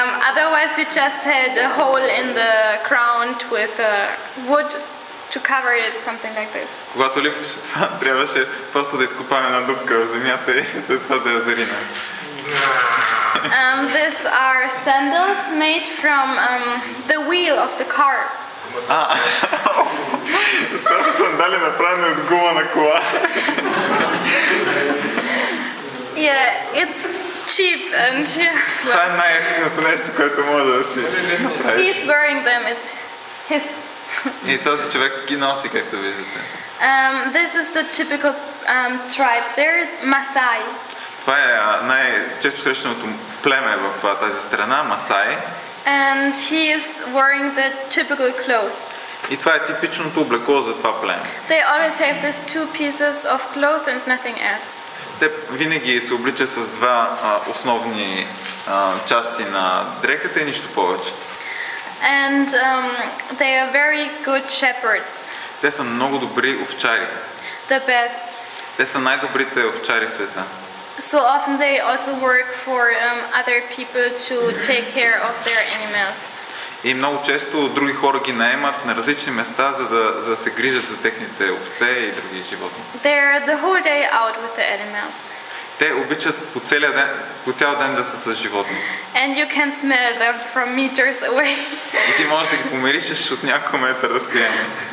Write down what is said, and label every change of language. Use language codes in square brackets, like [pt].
[en] Otherwise, we just had a hole in the ground with wood to cover it, something like this. [bg] Когато липсваше това, трябваше просто да изкопаме една дупка в земята и това да я заринем. [en] These are sandals made from the wheel of the car. [bg] Това са сандали направени от гума на кола. [en] Yeah, it's cheap and yeah. [bg] Това е най-ефтиното нещо, което може да си направиш. [en] He's wearing them, it's his. [bg] И този човек ги носи, както виждате. [en] This is the typical tribe there, Masai. [bg] Това е най-често срещаното племе в тази страна, Масай. [en] And he is wearing the typical clothes. [bg] И това е типичното облекло за това племе. [en] They always have these 2 pieces of cloth and nothing else. [bg] Те винаги се обличат с два основни части на дрехата и нищо повече. [en] And they are very good shepherds. [bg] Те са много добри овчари. [en] The best. [bg] Те са най-добрите овчари в света. [en] So often they also work for other people to take care of their animals. [bg] И много често други хора ги наемат на различни места, за да се грижат за техните овце и други животни. [en] They're the whole day out with the animals. [bg] Те обичат по цял ден да са с животни. [en] And you can smell them from meters away. [bg] И ти можеш да ги помиришеш от няколко метра разстояние.